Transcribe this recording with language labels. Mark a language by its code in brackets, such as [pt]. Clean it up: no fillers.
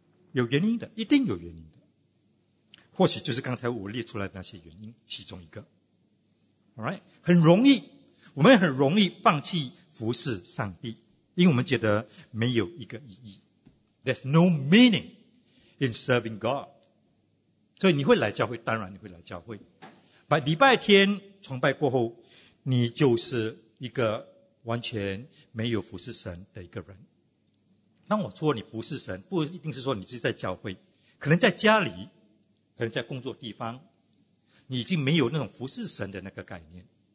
[zh] 有原因的，一定有原因的。或许就是刚才我列出来的那些原因其中一个。 [en] Alright? [zh] 很容易，我们很容易放弃服侍上帝，因为我们觉得没有一个意义。 [en] There's no meaning in serving God. [zh] 所以你会来教会，当然你会来教会。But 礼拜天崇拜过后，你就是一个完全没有服侍神的一个人。那我说你服侍神，不一定是说你是在教会，可能在家里，可能在工作地方，你已经没有那种服侍神的那个概念。